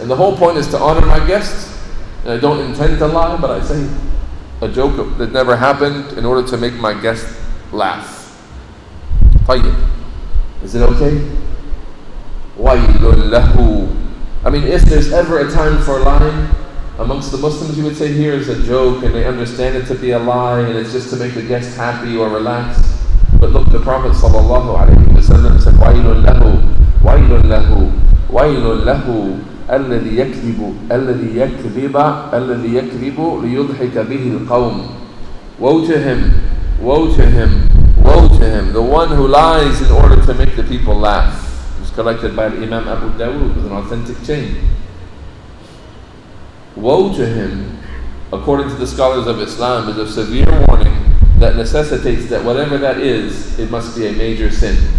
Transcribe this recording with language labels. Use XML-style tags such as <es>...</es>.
<en>And the whole point is to honor my guests. And I don't intend to lie, but I say a joke that never happened in order to make my guests laugh.</en> <ar>طيب.</ar> <en>Is it okay?</en> <ar>وَيْلٌ لَهُ.</ar> <en>I mean, if there's ever a time for lying, amongst the Muslims, you would say, here is a joke, and they understand it to be a lie, and it's just to make the guest happy or relaxed. But look, the Prophet ﷺ said,</en> <ar>وَيْلٌ لَهُ, وَيْلٌ لَهُ, وَيْلٌ لَهُ, الَّذِي يَكْذِبُ, الَّذِي يَكْذِبَ, الَّذِي يَكْذِبُ لِيُضْحِكَ بِهِ الْقَوْمِ.</ar> <en>Woe to him, woe to him, woe to him, the one who lies in order to make the people laugh. It was collected by Imam Abu Dawood with an authentic chain. Woe to him, according to the scholars of Islam, is a severe warning that necessitates that whatever that is, it must be a major sin.</en>